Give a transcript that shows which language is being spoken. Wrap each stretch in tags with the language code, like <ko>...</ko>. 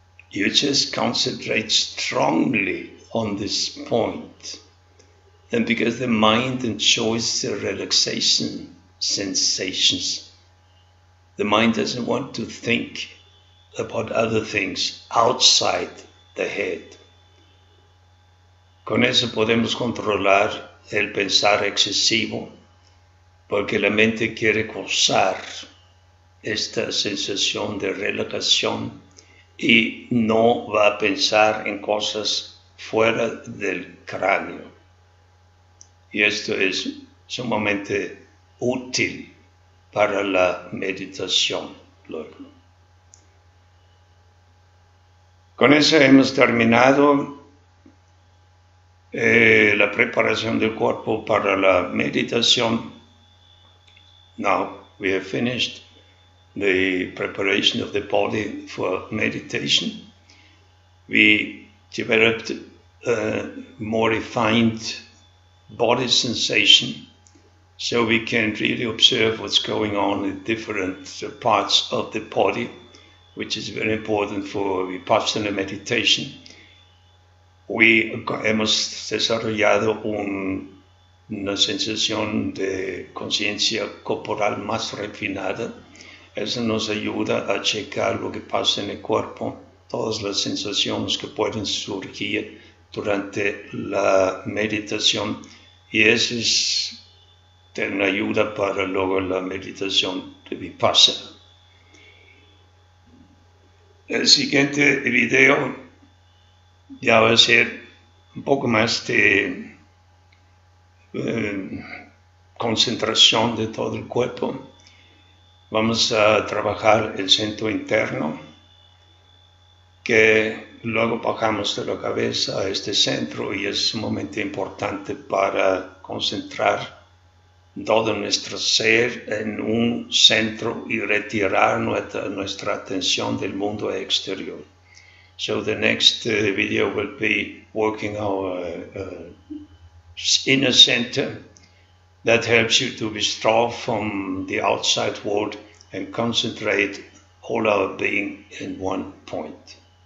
<en>You just concentrate strongly on this point. And because the mind enjoys the relaxation sensations, the mind doesn't want to think about other things outside the head.</en> <es>Con eso podemos controlar el pensar excesivo, porque la mente quiere causar esta sensación de relajación y no va a pensar en cosas fuera del cráneo. Y esto es sumamente útil para la meditación. Con eso hemos terminado la preparación del cuerpo para la meditación.</es> <en>Now we have finished the preparation of the body for meditation. We developed more refined body sensation so we can really observe what's going on in different parts of the body, which is very important for Vipassana meditation.</en> <es>We hemos desarrollado una sensación de conciencia corporal más refinada. Eso nos ayuda a checar lo que pasa en el cuerpo, todas las sensaciones que pueden surgir durante la meditación. Y eso es una ayuda para luego la meditación de Vipassana. El siguiente video ya va a ser un poco más de concentración de todo el cuerpo. Vamos a trabajar el centro interno, que luego bajamos de la cabeza a este centro y es sumamente importante para concentrar todo nuestro ser en un centro y retirar nuestra atención del mundo exterior.</es> <en>So the next video will be working our inner center that helps you to withdraw from the outside world and concentrate all our being in one point.</en>